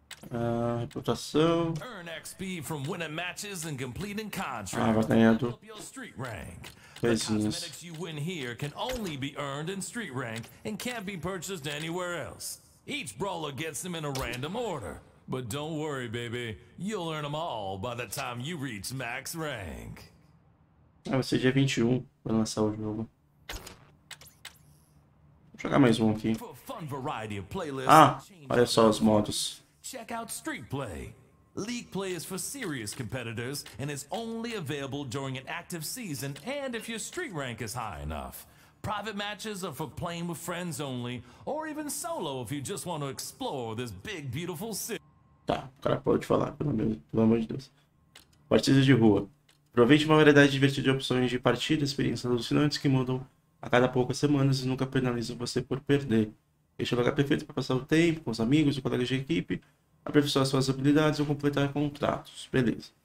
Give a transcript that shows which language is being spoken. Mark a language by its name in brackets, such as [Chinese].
[English] Reputação. Earn XP from winning matches and completing contracts. Coisinhas. The cosmetics you win here can only be earned in Street Rank and can't be purchased anywhere else. Each brawler gets them in a random order. But don't worry, baby. You'll earn them all by the time you reach max rank. [Portuguese] Ah, vai ser dia 21 para lançar o jogo. Vou jogar mais um aqui. [English] For a fun variety of playlists, [Portuguese] olha só os modos. [English] Check out Street Play. League play is for serious competitors and is only available during an active season and if your street rank is high enough. Private matches are for playing with friends only or even solo if you just want to explore this big beautiful city. [Portuguese] Tá, o cara pode falar, pelo amor de Deus. Partidas de rua. Aproveite uma variedade divertida de opções de partida, experiências alucinantes que mudam a cada poucas semanas e nunca penalizam você por perder. Este é o lugar perfeito para passar o tempo com os amigos e colegas de equipe. Aperfeiçoar suas habilidades ou completar contratos. Beleza.